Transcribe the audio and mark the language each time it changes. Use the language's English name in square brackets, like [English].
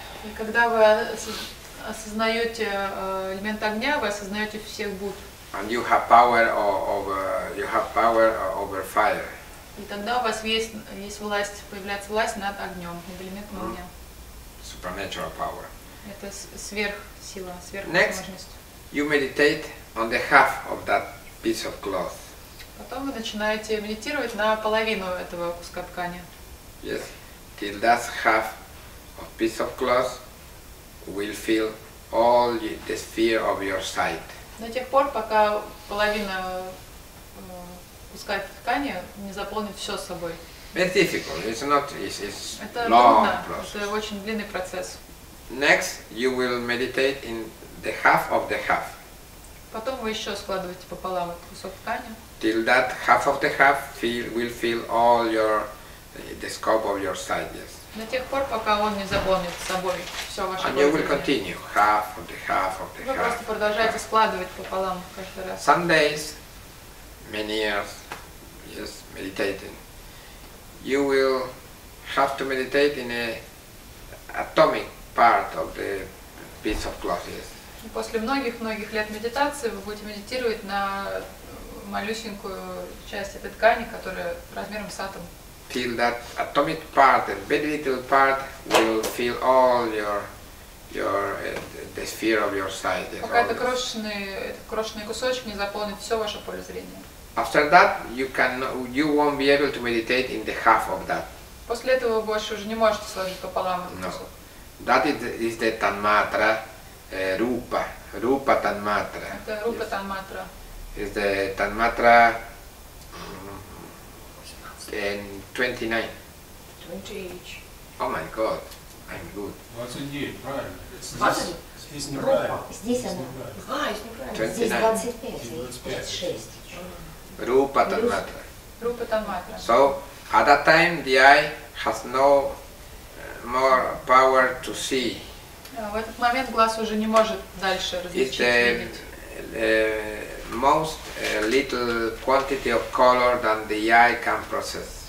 [Russian] И когда вы осознаете элемент огня, вы осознаете всех Будд. [English] And you have power over, fire. [Russian] И тогда у вас есть власть, появляется власть над огнем, над элементом огня. [English] Supernatural power. [Russian] Это сверхсила, сверхвозможность. [English] Next, you meditate on the half of that piece of cloth. [Russian] Потом вы начинаете медитировать на половину этого куска ткани. [English] Yes, till that half of piece of cloth will fill all the sphere of your sight. [Russian] До тех пор, пока половина куска ткани не заполнит все собой. [English] It's difficult. It's not. It's [Russian] это [English] long [Russian] трудно. [English] Process. [Russian] Это очень длинный процесс. [English] Next, you will meditate in the half of the half. [Russian] Потом вы еще складываете пополам этот кусок ткани. [English] Till that half of the half will fill all your the scope of your sight. Yes. [Russian] До тех пор, пока он не заполнит собой все ваше. [English] And you will continue half of the half of the [Russian] вы [English] half. [Russian] Вы просто продолжаете half. Складывать пополам каждый раз. [English] Some days, many years, yes, meditating. You will have to meditate in a atomic part of the piece of cloth. Yes. [Russian] После многих лет медитации вы будете медитировать на малюсенькую часть этой ткани, которая размером с атом. [English] Till that atomic part, that very little part, will fill all your the sphere of your sight. Yes. [Russian] Пока этот крошечный кусочек не заполнит все ваше поле зрения. [English] After that, you won't be able to meditate in the half of that. [Russian] После этого вы больше уже не можете сложить пополам. [English] No, that is the tanmatra, rupa, rupa tanmatra. [Russian] Это рупа tanmatra. [English] Is the tanmatra 29. 20 age. Oh my God, I'm good. What's in here? Right. What's in? It's not right. [Russian] Здесь она. А, [English] it's not right. 25. Rupa tanmatra. Rupa tanmatra. So at that time the eye has no more power to see. [Russian] В этот момент глаз уже не может дальше различить. [English] It's the most little quantity of color than the eye can process.